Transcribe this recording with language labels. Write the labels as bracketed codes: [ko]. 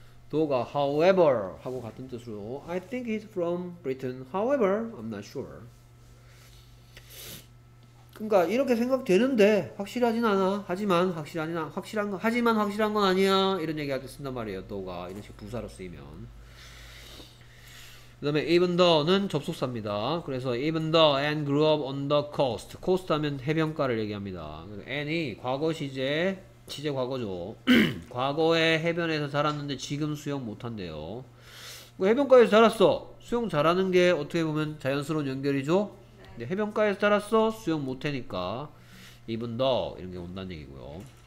[ko] 도가 however 하고 같은 뜻으로 [en] I think he's from Britain. However, I'm not sure. [ko] 그러니까 이렇게 생각되는데 확실하진 않아. 하지만 확실하진 않아. 확실한 건 하지만 확실한 건 아니야. 이런 얘기가 쓴단 말이에요. 도가 이런 식 부사로 쓰이면. 그 다음에 even though는 접속사입니다. 그래서 [en] even though and grew up on the coast. [ko] coast 하면 해변가를 얘기합니다. and이 과거 시제, 시제 과거죠. 과거에 해변에서 자랐는데 지금 수영 못한대요. 해변가에서 자랐어. 수영 잘하는 게 어떻게 보면 자연스러운 연결이죠. 네. 해변가에서 자랐어. 수영 못하니까 even though 이런 게 온다는 얘기고요.